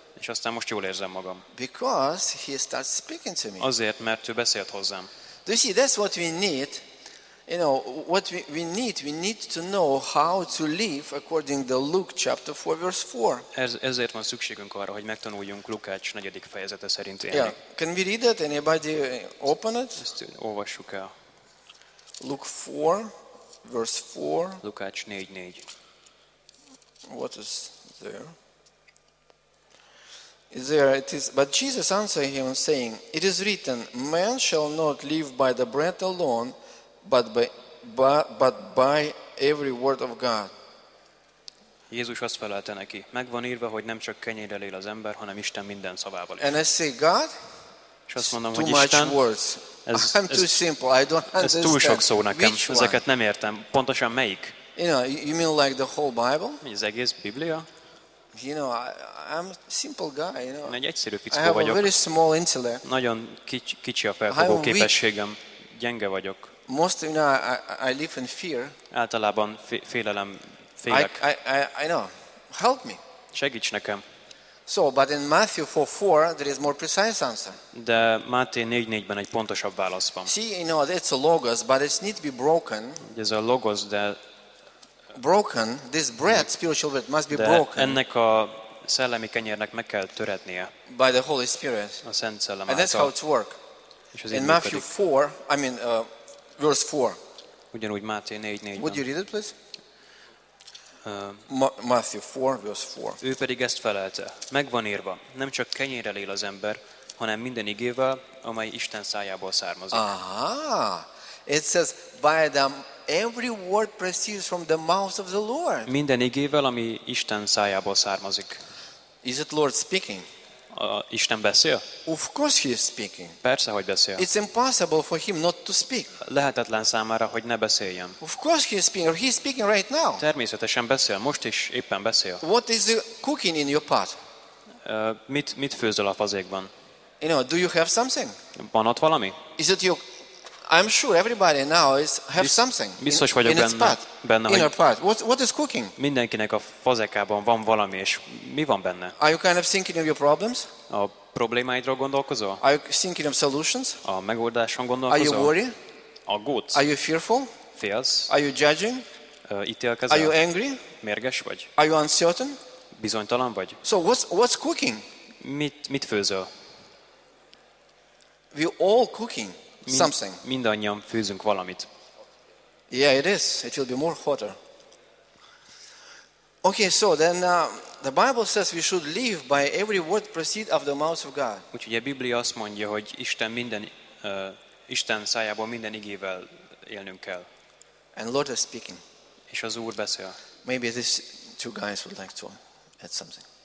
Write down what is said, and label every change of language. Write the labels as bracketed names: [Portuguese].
[Hungarian] És aztán most jól érzem magam. [English] Because he starts speaking to me. [Hungarian] Azért, mert ő beszélt hozzám. [English] Do you see, that's what we need. You know, what we need to know how to live according to Luke chapter 4 verse 4. [Hungarian] Ezért van szükségünk arra, hogy megtanuljunk Lukács 4. fejezete szerint élni. [English] Yeah. Can we read it? Anybody open it? [Hungarian] Ezt olvassuk el. [English] Luke 4 verse 4. [Hungarian] Lukács 4:4. [English] What is there? Is there it is, but Jesus answered him saying, it is written, man shall not live by the bread alone, but by every word of God. [Hungarian] Jézus azt felelte neki, megvan írva, hogy nem csak kenyérrel él az ember, hanem Isten minden szavával is. [English] And I say, God, [Hungarian] és azt mondom, [English] too [Hungarian] hogy Isten, [English] much words. I'm too simple. I don't understand. [Hungarian] Ez túl sok szó nekem. Ezeket nem értem. Pontosan melyik? [English] You know, you mean like the whole Bible? [Hungarian] Az egész Biblia? [English] You know, I'm a simple guy, you know. [Hungarian] Én egy egyszerű fickó vagyok. [English] I have a very small intellect. [Hungarian] Nagyon kicsi a felfogó képességem. Gyenge vagyok. [English] Most, you know, I live in fear. [Hungarian] Általában félelem, félek. [English] I know. Help me. [Hungarian] Segíts nekem. [English] So, but in Matthew 4:4 there is more precise answer. [Hungarian] De Máté 4:4-ben egy pontosabb válasz van. [English] See, you know, it's a logos, but it needs to be broken. [Hungarian] Ez a logos, de [English] broken, this bread, spiritual bread, must be broken. [Hungarian] Ennek a szellemi kenyérnek meg kell törednie. [English] By the Holy Spirit. [Hungarian] A Szent Szellem által. [English] And that's how it works. In Matthew 4, I mean, verse 4. [Hungarian] Ugyanúgy Máté 4:4. [English] Would you read it, please? Matthew 4, verse 4. [Hungarian] Ő pedig ezt felelte. Megvan írva, nem csak kenyérrel él az ember, hanem minden igével, amely Isten szájából származik. [English] Aha! It says, by them every word proceeds from the mouth of the Lord. [Hungarian] Minden igével, ami Isten szájából származik. [English] Is it Lord speaking? [Hungarian] Isten beszél? [English] Of course he is speaking. [Hungarian] Persze, hogy beszél. [English] It's impossible for him not to speak. [Hungarian] Lehetetlen számára, hogy ne beszéljen. [English] Of course he is speaking. He is speaking right now. [Hungarian] Természetesen beszél, most is éppen beszél. [English] What is cooking in your pot? [Hungarian] Mit főzöl a fazékban? [English] You know, do you have something? [Hungarian] Van ott valami? [English] Is it your I'm sure everybody now is have something. [Hungarian] Biztos vagyok [English] in [Hungarian] benne, [English] pot, [Hungarian] benne [English] in our pot. What is cooking? [Hungarian] Mindenkinek a fazekában van valami, és mi van benne? [English] Are you kind of thinking of your problems? [Hungarian] A problémáidról gondolkozol? [English] Are you thinking of solutions? [Hungarian] A megoldáson gondolkozol? [English] Are you worried? [Hungarian] Aggódsz? [English] Are you fearful? [Hungarian] Félsz? [English] Are you judging? [Hungarian] Ítélkezel? [English] Are you angry? [Hungarian] Mérges vagy? [English] Are you uncertain? [Hungarian] Bizonytalan vagy? [English] So what's cooking? [Hungarian] Mit főzöl? [English] We all cooking. Something. [Hungarian] Mindannyian főzünk valamit. [English] Yeah, it is. It will be more hotter. Okay, so then the Bible says we should live by every word proceed of the mouth of God. [Hungarian] Úgyhogy a Biblia azt mondja, hogy Isten minden Isten szájából minden igével élnünk kell. [English] And Lord is speaking. [Hungarian] És az Úr beszél. [English] Maybe these two guys would like to add something.